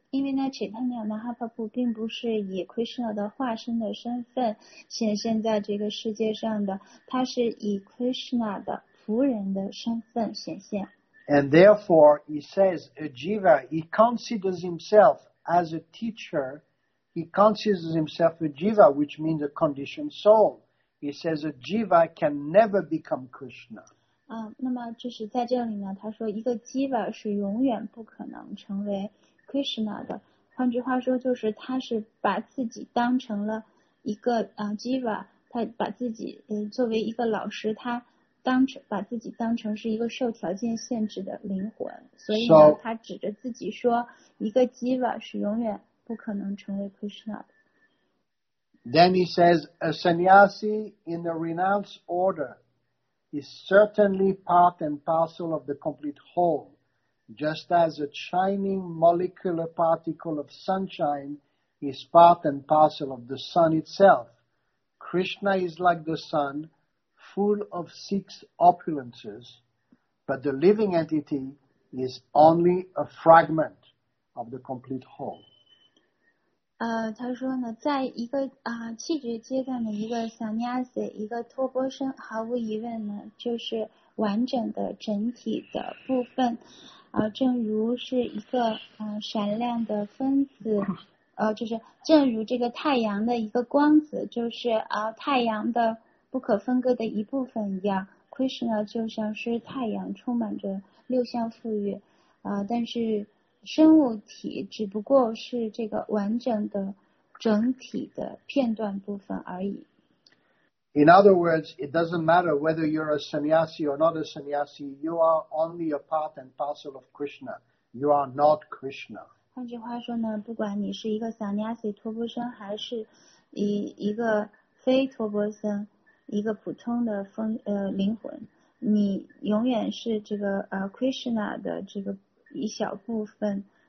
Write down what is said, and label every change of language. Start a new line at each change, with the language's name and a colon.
Chinese: 因为呢 ，Chaitanya Mahaprabhu 并不是以 Krishna 的化身的身份显现在这个世界上的，他是以 Krishna 的仆人的身份显现。
English: And therefore, he says, "Ajiva, he considers himself as a teacher. He considers himself a jiva, which means a conditioned soul. He says a jiva can never become Krishna."
Chinese: 那么就是在这里呢，他说一个 jiva 是永远不可能成为。 Krishna 的，换句话说就是他是把自己当成了一个jiva， 他把自己作为一个老师，他当成把自己当成是一个受条件限制的灵魂，所以呢，他指着自己说，一个jiva是永远不可能成为 Krishna 的。
English: Then he says, a sannyasi in the renounced order is certainly part and parcel of the complete whole. Just as a shining molecular particle of sunshine is part and parcel of the sun itself, Krishna is like the sun, full of six opulences, but the living entity is only a fragment of the complete whole.
Chinese: 他说呢，在一个气质阶段的一个 sannyasi， 一个托钵生，毫无疑问呢，就是完整的整体的部分。正如是一个闪亮的分子，就是正如这个太阳的一个光子，就是太阳的不可分割的一部分一样 ，Krishna 就像是太阳，充满着六项富裕，但是生物体只不过是这个完整的整体的片段部分而已。
English: In other words, it doesn't matter whether you're a sannyasi or not a sannyasi. You are only a part and parcel of Krishna. You are not Krishna.
Chinese: 换句话说呢，不管你是一个 sannyasi 托钵僧，还是一个非托钵僧，一个普通的灵魂，你永远是这个Krishna 的这个一小部分。